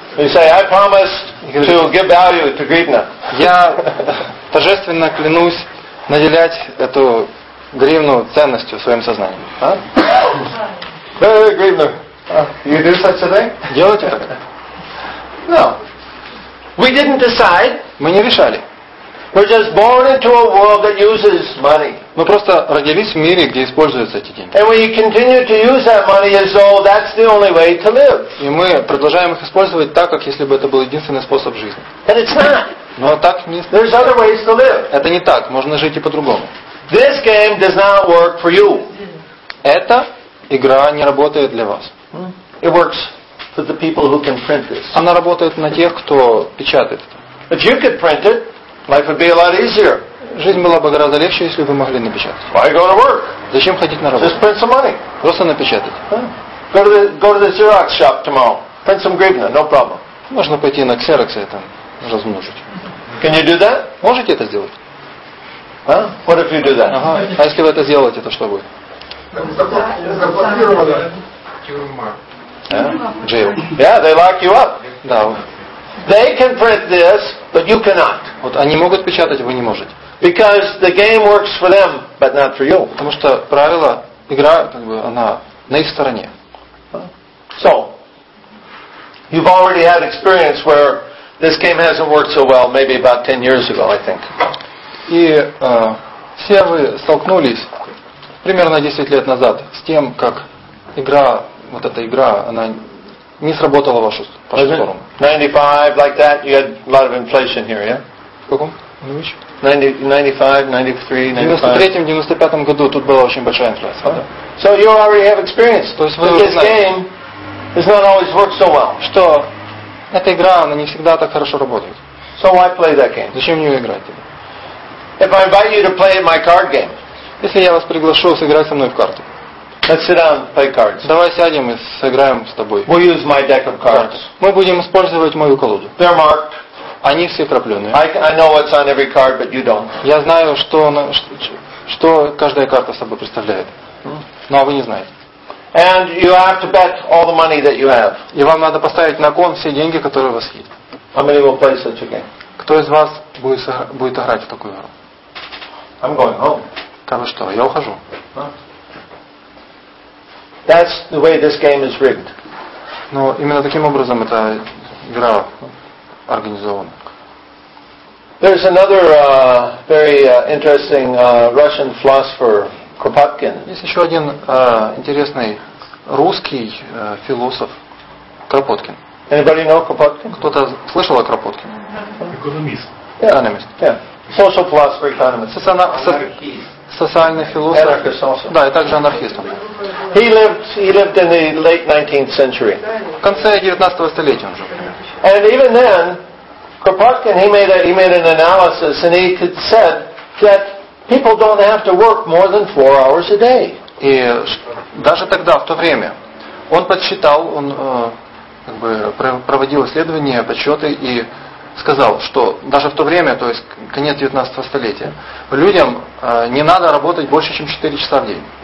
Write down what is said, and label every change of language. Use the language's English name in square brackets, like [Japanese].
[English] You say, I promise to give value to гривна. [Russian] Я торжественно клянусь наделять эту гривну ценностью в своем сознании. [English] Гривна. You do such a thing? [Russian] Делаете так? [English] No. We didn't decide. [Russian] Мы не решали. [English] We're just born into a world that uses money. [Russian] Мы просто родились в мире, где используются эти деньги. [English] And we continue to use that money as though that's the only way to live. [Russian] И мы продолжаем их использовать так, как если бы это был единственный способ жизни. [English] And it's not. [Russian] Но так не. [English] There's other ways to live. [Russian] Это не так. Можно жить и по-другому. [English] This game does not work for you. [Russian] Эта игра не работает для вас. [English] It works for the people who can print this. [Russian] Она работает на тех, кто печатает. [English] If you could print it, life would be a lot easier. [Russian] Жизнь была бы гораздо легче, если бы вы могли напечатать. [English] Why go to work? [Russian] Зачем ходить на работу? [English] Just print some money. [Russian] Просто напечатать. [English] Huh? Go to the Xerox shop tomorrow. Print some гривна, no problem. [Russian] Можно пойти на Xerox и там размножить. [English] Can you do that? [Russian] Можете это сделать? [English] Huh? What if you do that? [Russian] Ага. А если вы это сделаете, то что будет? Заблокировано. [English] Yeah? Jail. Yeah, they lock you up. [Russian] Да. [English] They can print this, but you cannot. [Russian] Вот они могут печатать, вы не можете. [English] Because the game works for them, but not for you. [Russian] Потому что правила, игра, как бы, она на их стороне. [English] So, you've already had experience where this game hasn't worked so well, maybe about 10 years ago, I think. [Russian] И все вы столкнулись примерно 10 лет назад с тем, как игра, вот эта игра, она не сработала в вашу сторону. [English] 95, like that, you had a lot of inflation here, yeah? [Russian] В каком? 95, 93, 95. В 93-95 году тут была очень большая инфляция. [English] So you already have experience. [Russian] То есть вы уже знаете. [English] This game does not always work so well. [Russian] Что эта игра, она не всегда так хорошо работает. [English] So why play that game? [Russian] Зачем мне играть? [English] If I invite you to play my card game. [Russian] Если я вас приглашу сыграть со мной в карты. [English] Let's sit down and play cards. [Russian] Давай сядем и сыграем с тобой. [English] We'll use my deck of cards. [Russian] Мы будем использовать мою колоду. [English] They're marked. [Russian] Они все краплёные. [English] I know what's on every card, but you don't. [Russian] Я знаю, что каждая карта собой представляет. Ну, а вы не знаете. [English] And you have to bet all the money that you have. [Russian] И вам надо поставить на кон все деньги, которые у вас есть. [English] How many will play such a game? [Russian] Кто из вас будет играть в такую игру? [English] I'm going home. [Russian] Кого что? Я ухожу. [English] That's the way this game is rigged. [Russian] Но именно таким образом эта игра организована. [English] There's another very interesting Russian philosopher, Kropotkin. [Russian] Есть еще один интересный русский философ Кропоткин. [English] Anybody know Kropotkin? [Russian] Кто-то слышал о Кропоткине? Экономист. [English] Yeah. Экономист. Yeah. Social philosopher, economist. [Russian] Социальный философ. [English] Anarchist also. [Russian] Да, и также анархист. [English] He lived in the late 19th century. [Russian] В конце 19-го столетия он жил. [English] And even then, Kropotkin he made an analysis and he said that people don't have to work more than 4 hours a day. [Russian] И даже тогда, в то время, он подсчитал, он как бы проводил исследования, подсчеты и сказал, что даже в то время, то есть конец 19-го столетия, людям не надо работать больше, чем 4 часа в день.